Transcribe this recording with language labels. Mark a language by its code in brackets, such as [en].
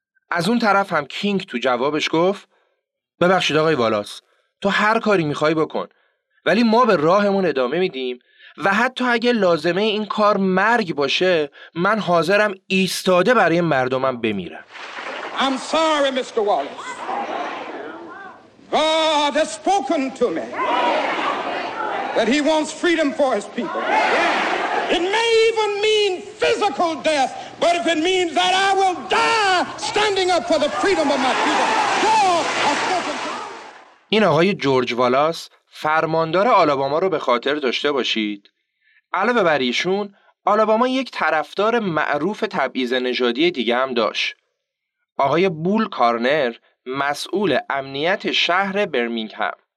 [fa] از اون طرف هم کینگ تو جوابش گفت ببخشید آقای والاس، تو هر کاری میخوای بکن، ولی ما به راهمون ادامه میدیم و حتی اگه لازمه این کار مرگ باشه، من حاضرم ایستاده برای مردمم بمیرم. [en] I'm sorry Mr. Wallace. God has spoken to me that he wants freedom for his people. It may even mean physical death, but if it means that I will die standing up for the freedom of my people, God [fa] این آقای جورج والاس فرماندار آلاباما رو به خاطر داشته باشید. علاوه بر ایشون، آلاباما یک طرفدار معروف تبعیض نژادی دیگه هم داشت. آقای بول کارنر، مسئول امنیت شهر برمینگهام.